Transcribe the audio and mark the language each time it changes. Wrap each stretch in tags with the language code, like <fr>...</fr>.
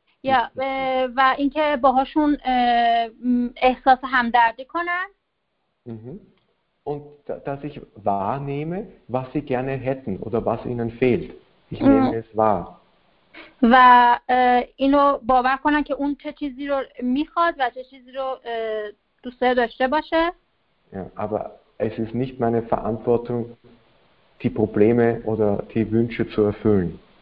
<fa>Ja, و اینکه باهاشون احساس همدردی کنن.</fa> <de>Und dass ich wahrnehme, was sie gerne hätten oder was ihnen fehlt. Ich nehme es wahr.</de> <fa>و اینو باور کنن که اون چه چیزی رو میخواد و چه چیزی رو دوست داشته باشه.</fa> <de>Ja, aber es ist nicht meine Verantwortung, die Probleme oder die Wünsche zu erfüllen.</de>